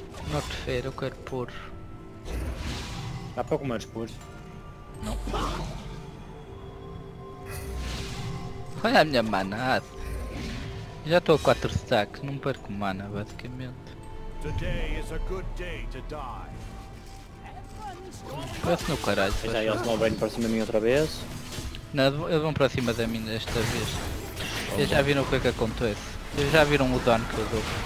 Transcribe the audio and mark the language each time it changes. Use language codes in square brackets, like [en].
[pt] Norte Fair, eu quero poros. Dá para comer os poros? Não. Olha a minha mana. Já estou a 4 stacks, não perco mana basicamente. [en] Today is a good day to die. [pt] Parece no caralho. Já eles vão bem para cima de mim outra vez. Não, eles vão para cima da mina desta vez. Eles já viram o que é que acontece. Vocês já viram o dano que eu dou.